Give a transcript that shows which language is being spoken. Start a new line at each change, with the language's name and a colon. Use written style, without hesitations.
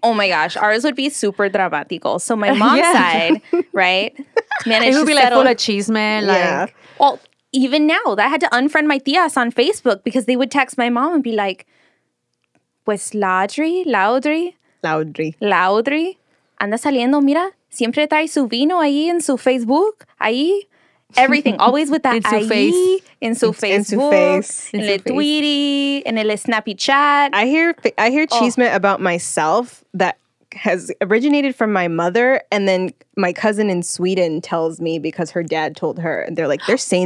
English: Oh, my gosh. Ours would be super dramatico. So my mom's side, right? Managed it would be, to like, full of chisme. Like, yeah. Well, even now, I had to unfriend my tías on Facebook because they would text my mom and be like,
Spanish: pues Laudri, Laudri.
English: Laudri. Laudri.
Spanish: Anda saliendo, mira, siempre trae su vino ahí en su Facebook, ahí.
English: Everything, always with that ahí,
Spanish: en su face. En el Tweety, en el Snappy Chat.
English: I hear chisme about myself that has originated from my mother, and then my cousin in Sweden tells me because her dad told her, and they're like, they're saying